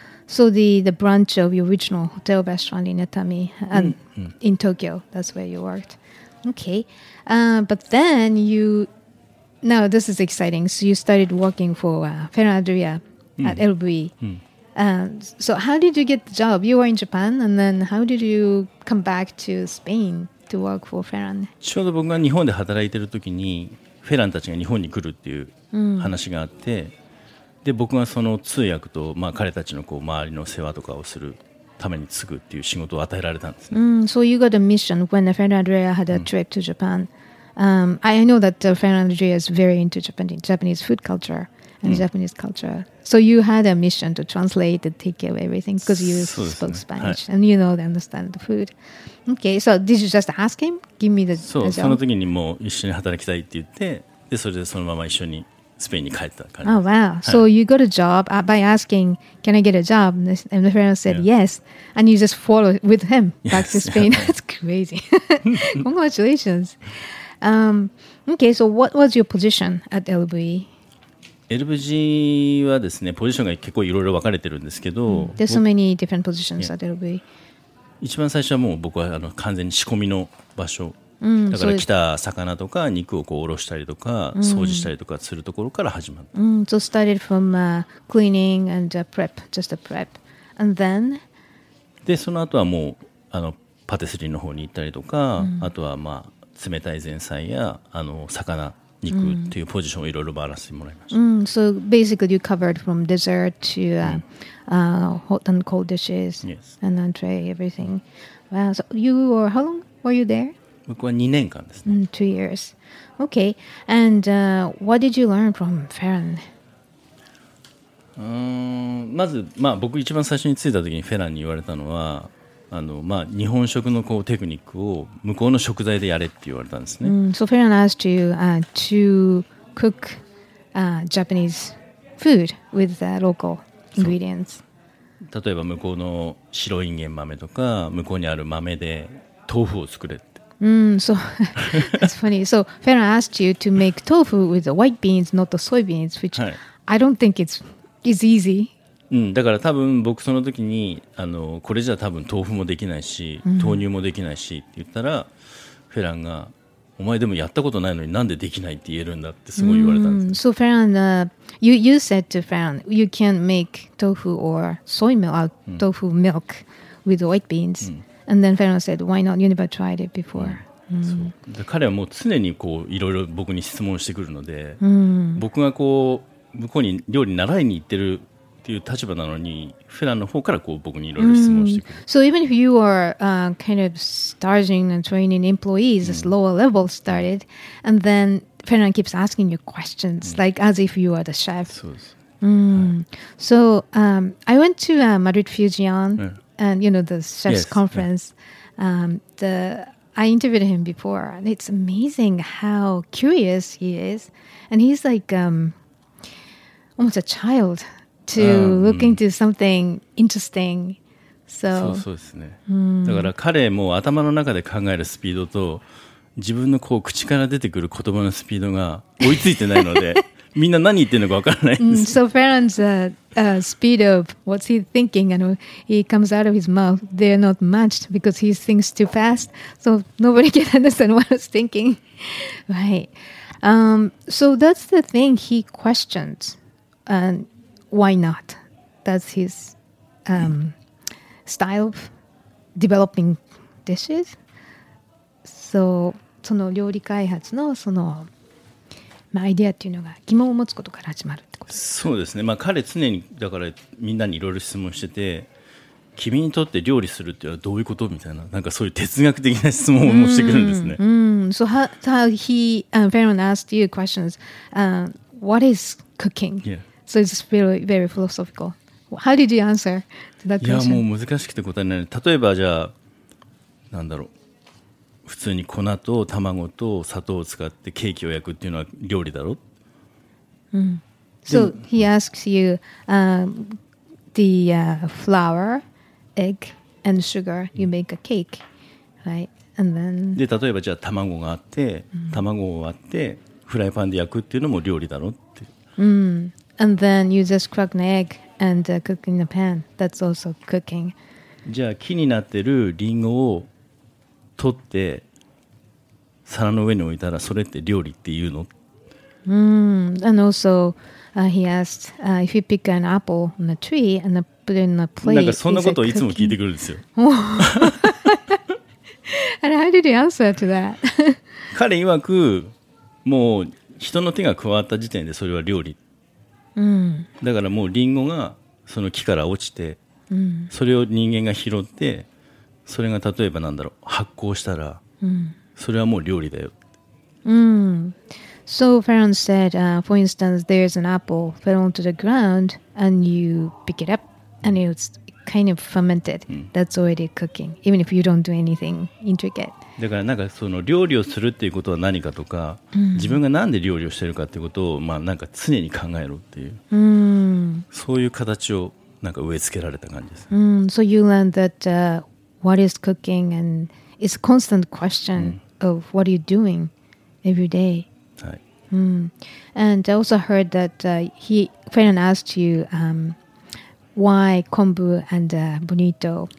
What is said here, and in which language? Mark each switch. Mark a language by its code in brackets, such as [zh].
[en] So the branch of your original hotel restaurant in Atami and in Tokyo, that's where you worked. Okay. But then you, now this is exciting. So you started working for Ferradria at LV. So how did you get the job? You were in Japan and then how did you come back to Spain to work for Ferran? [ja] ちょうど僕が日本で働いてる時にフェランたちが日本に来るっていう話があって、で僕がその通訳と、まあ、彼たちのこう周りの世話とかをするために継ぐっていう仕事を与えられたんですね。 [en] So you got a mission when Ferradria had a trip to Japan. I know that Ferradria is very into Japanese food culture and Japanese culture. So you had a mission to translate and take care of everything because you spoke Spanish and you know they understand the food. Okay, so did you just ask him? Give me the job. [ja] その時にもう一緒に働きたいって言って、でそれでそのまま一緒にスペインに帰った感 [en] じ。Oh, wow.、 [ja] はい、 [en] so you got a job by asking, can I get a job? And the friend said、yeah. yes. And you just followed with him back、yes. to Spain. That's crazy. Congratulations. Okay, so what was your position at LV? [ja] LVG はですね、ポジションが結構いろいろ分かれてるんですけど、 [en] mm. There's so many different positions、yeah. at LV. [ja] 一番最初はもう僕はあの完全に仕込みの場所、だから来た魚とか肉をこうおろしたりとか掃除したりとかするところから始まった。 [en] So started from cleaning and prep, just a prep. And then? で、その後はもうあのパティスリーの方に行ったりとか、あとはまあ冷たい前菜やあの魚、肉っていうポジションをいろいろバラしてもらいました。 So basically you covered from dessert to hot and cold dishes、 yes. and entree, everything. Wow, so you were, how long were you there? [ja] 僕は2年間ですね。 [en] 2 years. Okay. And what did you learn from Ferran? [ja] まず、まあ、僕一番最初に着いた時にフェランに言われたのは、あの、まあ、日本食のこうテクニックを向こうの食材でやれって言われたんですね。 [en] So Ferran asked you to cook Japanese food with the local ingredients. [ja] 例えば向こうの白いんげん豆とか、向こうにある豆で豆腐を作れ。 [en] So that's funny. So Ferran asked you to make tofu with the white beans, not the soybeans, which、 [ja] はい、 [en] I don't think it's easy. [ja] だから多分僕その時にあのこれじゃ多分豆腐もできないし、豆乳もできないしって言ったら、フェランがお前でもやったことないのになんでできないって言えるんだってすごい言われたんです。 [en] So Ferran, you said to Ferran, you can't make tofu or soy milk, tofu milk with the white beans.、And then Ferran said, "Why not? You never tried it before." [ja] So, 彼はもう常にこういろいろ僕に質問してくるので、僕がこう向こうに料理習いに行ってるっていう立場なのに、フェランの方からこう僕にいろいろ質問してくる。 [en] So even if you are kind of starting and training employees, this lower level started, and then Ferran keeps asking you questions like as if you are the chef. [ja] そうです。 [en] So I went to Madrid Fusion.、And you know the chef's yes, conference.、Yeah. I interviewed him before, and it's amazing how curious he is. And he's like almost a child to look into something interesting. So, [ja] そうですね。だから彼も頭の中で考えるスピードと自分のこう口から出てくる言葉のスピードが追いついてないので。みんな何言ってるのか分からないんです。 [en] So Ferran's speed of what's he thinking and he comes out of his mouth, they're not matched because he thinks too fast. So nobody can understand what he's thinking. Right. So that's the thing he questions. And why not? That's his style of developing dishes. [ja] So その料理開発のそのまあ、アイデアっていうのが疑問を持つことから始まるってことですか。そうですね、まあ、彼常にだからみんなにいろいろ質問してて、君にとって料理するっていうのはどういうことみたいな、なんかそういう哲学的な質問をしてくるんですね。 [en] So how he Ferran asked you questions what is cooking? Yeah. So it's very, very philosophical. How did you answer to that question? [ja] いやもう難しくて答えない。例えばじゃあなんだろう、普通に粉と卵と砂糖を使ってケーキを焼くっていうのは料理だろ。 [en] So he asks you the flour, egg, and sugar. You make a cake, right? And then [ja] で例えばじゃあ卵があって、卵を割ってフライパンで焼くっていうのも料理だろって。 [en] And then you just crack an egg and cook in a pan. That's also cooking. [ja] じゃあ木になってるリンゴを取って皿の上に置いたらそれって料理っていうの。 [en] And also he asked if you pick an apple on a tree and put it in a plate. [ja] なんかそんなことをいつも聞いてくるんですよ。 [en] And how did you answer to that? [ja] 彼曰くもう人の手が加わった時点でそれは料理。だからもうリンゴがその木から落ちて、それを人間が拾って、それが例えばなんだろう、発酵したら。それはもう料理だよ。 [en] So Ferran said, for instance, there's an apple fell onto the ground and you pick it up and it's kind of fermented. That's already cooking, even if you don't do anything intricate. [ja] だからなんかその料理をするっていうことは何かとか、うん、自分がなんで料理をしてるかっていうことをまあなんか常に考えろっていう、うん、そういう形をなんか植え付けられた感じです、 [en] うん、So you learned that、what is cooking and it's a constant question、うん、of what are you doing every day、はい、うん、And I also heard that、he Fernand asked you、why kombu and、bonito、